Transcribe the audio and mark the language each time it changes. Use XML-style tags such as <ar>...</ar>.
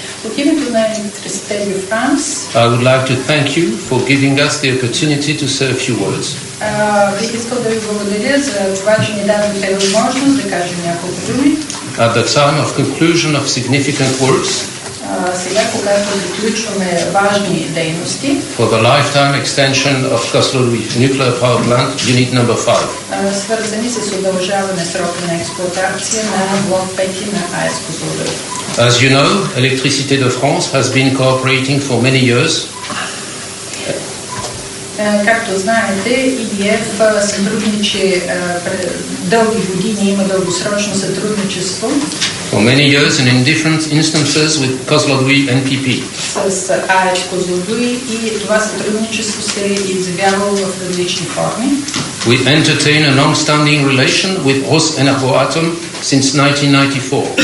<bg>От името на Electricité de France.</bg> <en>I would like to thank you for giving us the opportunity to say a few words.</en> <bg>Бих искал да ви благодаря за това, че ни дадохте възможност да кажем няколко думи.</bg> <en>At the time of conclusion of significant works.</en> <bg>Сега, когато заключваме важни дейности.</bg> <en>For the lifetime extension of Kostroluy nuclear power plant, unit number 5.</en> <bg>Свързани с удължаване срока на експлоатация на блок 5 на АЕЦ Козлодуй.</bg> <en>As you know, Electricité de France has been cooperating for many years.</en> <bg>Както знаете, EDF сътрудничи дълги години, има дългосрочно сътрудничество.</bg> <en>For many years and in different instances with Kozloduy NPP.</en> <bg>С АЕЦ Козлодуй и това сътрудничество се изявявало в различни форми.</bg> <en>We entertain a long-standing relation with Rosenergoatom since 1994.</en>